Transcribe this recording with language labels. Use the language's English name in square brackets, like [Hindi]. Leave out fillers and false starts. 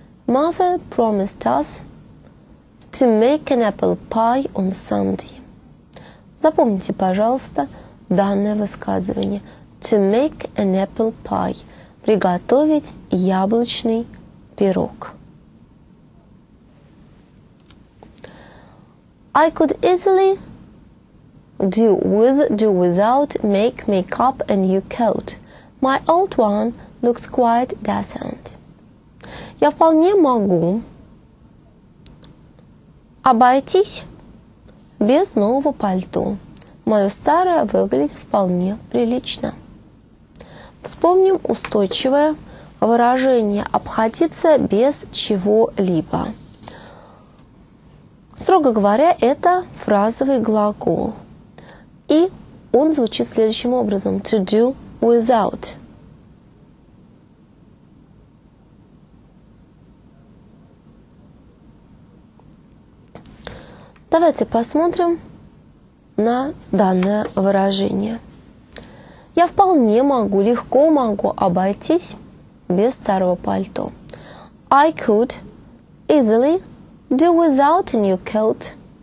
[English] Mother promised us to make an apple pie on Sunday. [Russian] Запомните, пожалуйста, данное высказывание. [English] To make an apple pie. [Russian] Приготовить яблочный пирог. [English] I could easily do with, do without, make, make up a new coat. My old one looks quite decent. [Russian] Я вполне могу обойтись без нового пальто. Мое старое выглядит вполне прилично. Вспомним устойчивое выражение «обходиться без чего-либо». Строго говоря, это фразовый глагол. И он звучит следующим образом. [English] To do without. [Russian] Давайте посмотрим на данное выражение. Я вполне могу, легко могу обойтись без старого пальто. [English] I could easily do without a new coat.